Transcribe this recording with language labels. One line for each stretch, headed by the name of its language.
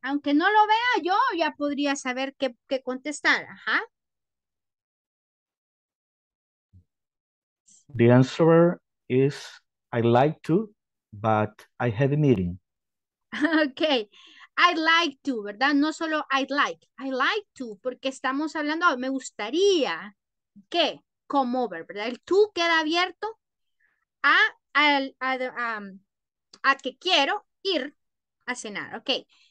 Spanish: Aunque no lo vea, yo ya podría saber qué contestar. Ajá.
English: The answer is I'd like to, but I have a meeting. Okay. I'd like to, ¿verdad?
Spanish: No solo
English: I'd like. I'd like to,
Spanish: porque estamos hablando, oh, me gustaría que
English: come over,
Spanish: ¿verdad? El to queda abierto a que quiero ir a cenar, ¿ok?